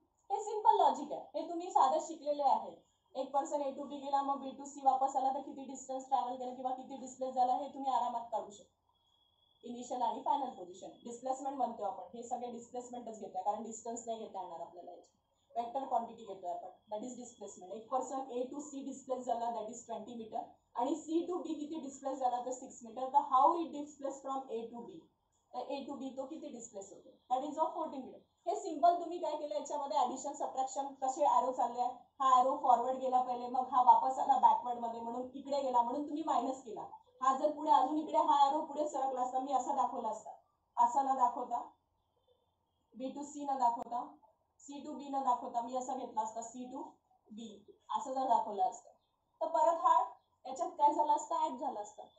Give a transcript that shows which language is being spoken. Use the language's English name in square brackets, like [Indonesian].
[Marathi] हे simple logic आहे, हे तुम्ही साधं शिकलेले आहे. एक पर्सन ए टू बी गेला, मग बी टू सी वापस आला, तर किती डिस्टन्स ट्रॅव्हल केलं किंवा किती डिस्प्लेस झाला हे तुम्ही आरामात काढू शकता. इनिशियल आणि फायनल पोझिशन, डिस्प्लेसमेंट म्हणतो आपण, हे सगळे डिस्प्लेसमेंटच घेतो आहे, कारण डिस्टन्स नाही घेता येणार आपल्याला, याची वेक्टर क्वांटिटी घेतो आहे आपण, [English] That is displacement. [Marathi] एक person A to C displace झाला, [English] that is 20 metre, [Marathi] आणि सी टू बी किती डिस्प्लेस झाला? तर 6 मीटर. [English] तर how it displace from A to B? [Marathi] A to be तो किती डिस्प्लेस होतो? [English] That is of 14 metre. [Marathi] हे सिम्पल तुम्ही काय केलं, याच्यामध्ये ॲडिशन सबट्रॅक्शन कसे ॲरो चालले आहे, हा ॲरो फॉरवर्ड गेला पहिले, मग हा वापस आला बॅकवर्डमध्ये, म्हणून इकडे गेला, म्हणून तुम्ही मायनस केला, हा जर पुढे अजून इकडे हा एरो पुढे सरकला असता मी असा दाखवला असता, असा ना दाखवता, बी टू सी ना दाखवता, सी टू बी ना दाखवता, मी असा घेतला असता सी टू बी असं जर दाखवलं असतं, तर परत हा याच्यात काय झालं असतं, ऍड झालं असतं.